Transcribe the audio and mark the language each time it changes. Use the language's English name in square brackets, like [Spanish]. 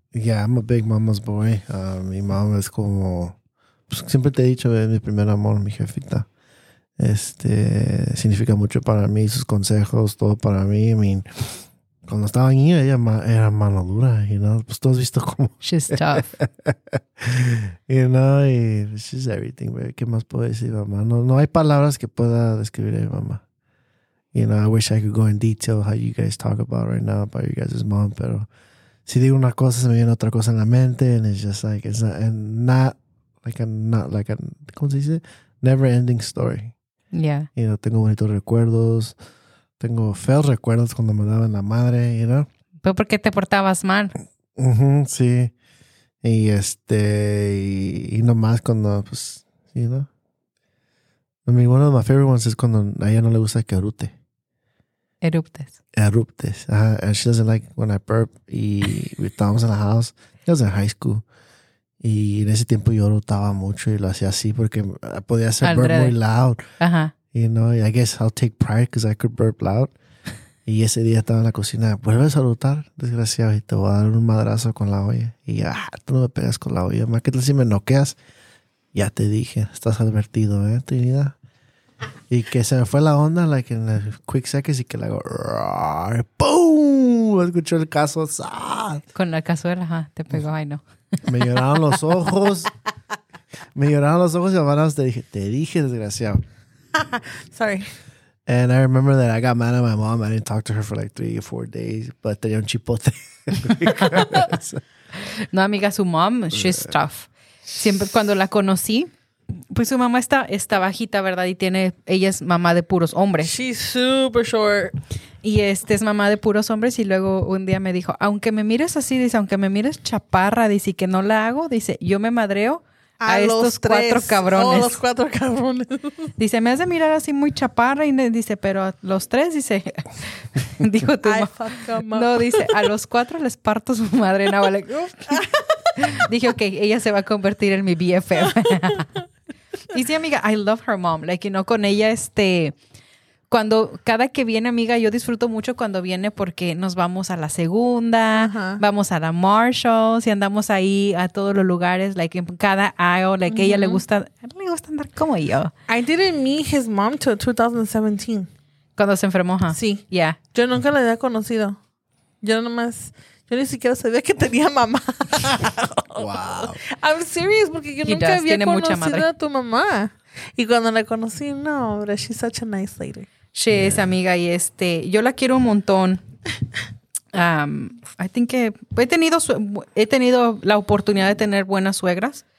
[English] Yeah, I'm a big mama's boy. [Spanish] Mi mamá es como... Pues, siempre te he dicho, es mi primer amor, mi jefita. Significa mucho para mí, sus consejos, todo para mí. [English] I mean, [Spanish] cuando estaba niño, ella era mano dura, [English] you know. [Spanish] Pues tú has visto cómo... [English] She's tough. You know, y she's everything, baby. [Spanish] ¿Qué más puedo decir, mamá? No hay palabras que pueda describir a mi mamá. [English] You know, I wish I could go in detail how you guys talk about right now, about you guys' mom, pero... [Spanish] Si digo una cosa, se me viene otra cosa en la mente, [English] and it's just like, it's not like a, [Spanish] ¿cómo se dice? [English] Never ending story. Yeah. You know, [Spanish] tengo bonitos recuerdos, tengo feos recuerdos cuando me daban la madre, [English] you know. [Spanish] ¿Pero por qué te portabas mal? Sí. Y nomás cuando, pues, [English] you know. I mean, one of my favorite ones is [Spanish] cuando a ella no le gusta que erute. Eruptes. [English] And she doesn't like when I burp. We estábamos in the house. I was in high school. [Spanish] Y en ese tiempo yo rotaba mucho y lo hacía así porque podía hacer burp muy loud. Uh-huh. [English] You know, I guess I'll take pride because I could burp loud. [Spanish] Y ese día estaba en la cocina. Vuelves a rotar, desgraciado. Y te voy a dar un madrazo con la olla. Y ya, tú no me pegas con la olla. Más que tal si me noqueas. Ya te dije, estás advertido, Trinidad. Y que se me fue la onda, like en el quick seconds, y que la hago, rawr, ¡boom! Escuchó el caso, ¡sad! Con la cazuela, ¿eh? Te pegó, ay no. Me lloraron los ojos. Me lloraron los ojos y hermanos, te dije, desgraciado. [English] Sorry. And I remember that I got mad at my mom. I didn't talk to her for like 3 or 4 days, but [Spanish] tenía un chipote. No, amiga, su mom, [English] she's tough. [Spanish] Siempre cuando la conocí, pues su mamá está bajita, ¿verdad? Y ella es mamá de puros hombres. [English] She's super short. [Spanish] Y es mamá de puros hombres. Y luego un día me dijo, aunque me mires así, dice, aunque me mires chaparra, dice, que no la hago, dice, yo me madreo a estos cuatro cabrones. Los cuatro cabrones. Dice, me has de mirar así muy chaparra. Y dice, pero a los tres, dice, dijo tu mamá. No, dice, a los cuatro les parto su madre. No, vale. Dije, ok, ella se va a convertir en mi BFF. Y sí, amiga, [English] I love her mom. Like, you know, [Spanish] con ella, cuando, cada que viene, amiga, yo disfruto mucho cuando viene porque nos vamos a la segunda, uh-huh. Vamos a la Marshalls y andamos ahí a todos los lugares, like, en cada aisle, like, uh-huh. A ella le gusta andar como yo. [English] I didn't meet his mom till 2017. [Spanish] Cuando se enfermó, ¿huh? Sí. [English] Yeah. [Spanish] Yo nunca la había conocido. Yo ni siquiera sabía que tenía mamá. [English] Wow. I'm serious, [Spanish] porque yo nunca había conocido a tu mamá. Y cuando la conocí, no, hombre, [English] she's such a nice lady. [Spanish] She is, amiga, y yo la quiero un montón. [English] I think [Spanish] que he tenido la oportunidad de tener buenas suegras.